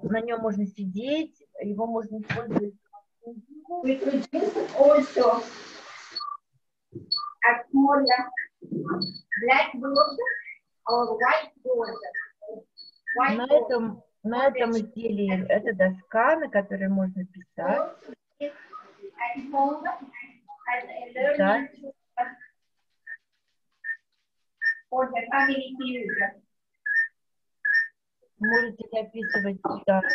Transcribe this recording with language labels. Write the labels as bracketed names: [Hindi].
[Russian] На нем можно сидеть, его можно использовать. [English] We could use also a small blackboard or whiteboard. [Russian] На этом изделии это доска, на которой можно писать. Можете записывать сюда